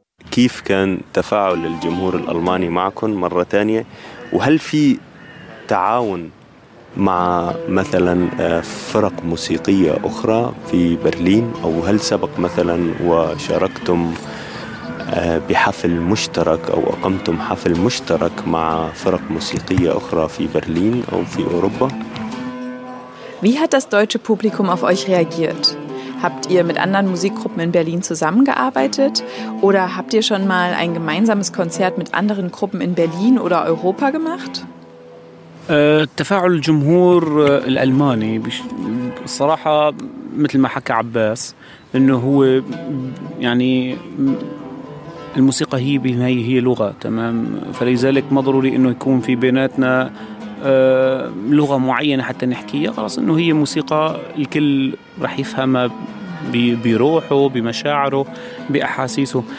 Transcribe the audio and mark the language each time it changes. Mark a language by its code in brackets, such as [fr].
[ar] كيف كان تفاعل الجمهور الألماني معكم مرة ثانية، وهل في تعاون مع مثلا فرق موسيقية أخرى في برلين، أو هل سبق مثلا وشاركتم بحفل مشترك أو أقمتم حفل مشترك مع فرق موسيقية أخرى في برلين أو في أوروبا؟ [de] Wie hat das deutsche Publikum auf euch reagiert? Habt ihr mit anderen Musikgruppen in Berlin zusammengearbeitet? Oder habt ihr schon mal ein gemeinsames Konzert mit anderen Gruppen in Berlin oder Europa gemacht? [ar] تفاعل الجمهور الألماني صراحة مثل ما حكى عباس، إنه هو يعني الموسيقى هي بالنهاية هي لغة، تمام؟ فلذلك ما ضروري إنه يكون في بيناتنا لغة معينة حتى نحكيها، خلاص إنه هي موسيقى الكل رح يفهمها بروحه بمشاعره بأحاسيسه.